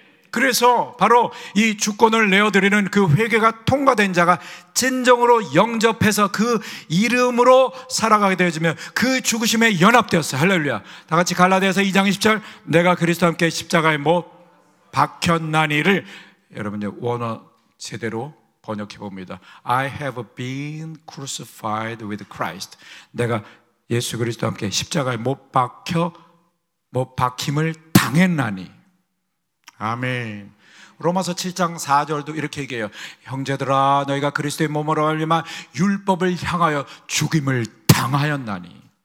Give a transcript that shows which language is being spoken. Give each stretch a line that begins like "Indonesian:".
Korean: 그래서 바로 이 주권을 내어드리는 그 회개가 통과된 자가 진정으로 영접해서 그 이름으로 살아가게 되어지면 그 죽으심에 연합되었어요. 할렐루야. 다 같이 갈라디아서 2장 20절 내가 그리스도와 함께 십자가에 못 박혔나니를 여러분 원어 제대로 번역해 봅니다.
English: I have been crucified with Christ.
Korean: 내가 예수 그리스도와 함께 십자가에 못 박혀 못 박힘을 당했나니. 아멘. 로마서 7장 4절도 이렇게 얘기해요. 형제들아 너희가 그리스도의 몸으로 말미암아 율법을 향하여 죽임을 당하였나니.